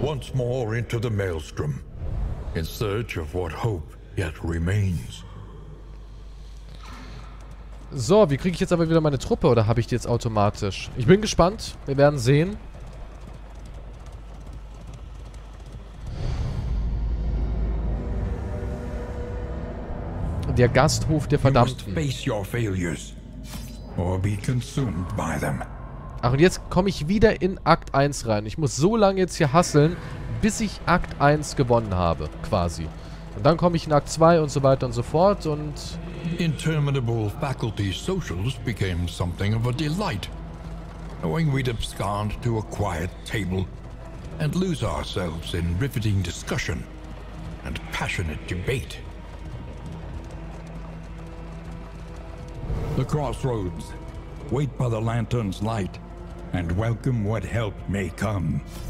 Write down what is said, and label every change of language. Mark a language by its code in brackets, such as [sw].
[en] Once more into the maelstrom, in search of what hope yet remains. [de] So, wie kriege ich jetzt aber wieder meine Truppe oder habe ich die jetzt automatisch? Ich bin gespannt, wir werden sehen. Der Gasthof der Verdammten. Ach, und jetzt komme ich wieder in Akt 1 rein. Ich muss so lange jetzt hier hustlen, bis ich Akt 1 gewonnen habe, quasi. Und dann komme ich in Akt 2 und so weiter und so fort und... [en] Interminable faculty socials became something of a delight. Knowing we'd abscond to a quiet table and lose ourselves in riveting discussion and passionate debate. The crossroads. Wait by the lantern's light and welcome what help may come.